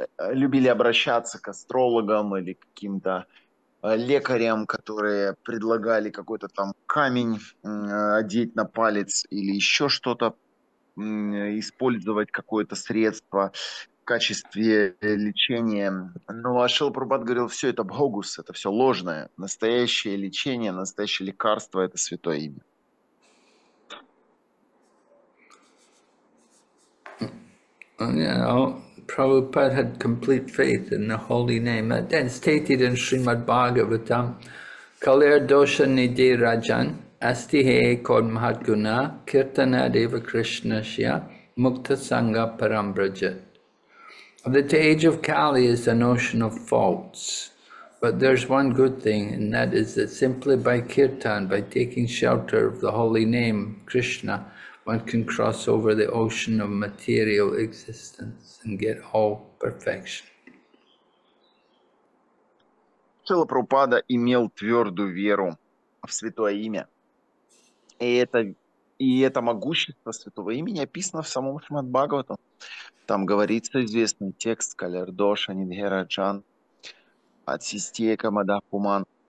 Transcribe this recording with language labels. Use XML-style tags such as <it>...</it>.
<ru>Любили обращаться к астрологам или к каким-то лекарям, которые предлагали какой-то там камень одеть на палец или еще что-то, использовать какое-то средство в качестве лечения. Но Шрила Прабхупада говорил, все это богус, это все ложное. Настоящее лечение, настоящее лекарство – это святое имя.</ru> <en>Yeah, Prabhupada had complete faith in the holy name. Then stated in Srimad Bhagavatam,</en> <sa>Kalir dosha nidhi rajan astihe kod mahatguna kirtana deva krishna shya mukta sangha parambrajat.</sa> <en>The age of Kali is an ocean of faults, but there's one good thing, and that is that simply by kirtan, by taking shelter of the holy name Krishna, one can cross over the ocean of material existence and get all perfection.</en> <ru>Шрила Прабхупада имел твердую веру в святое имя. И это могущество святого имени описано в самом Шримад Бхагаватам. Там говорится известный текст «Калер Доша Нидхера Джан» от Систека Мада Пуман.</ru>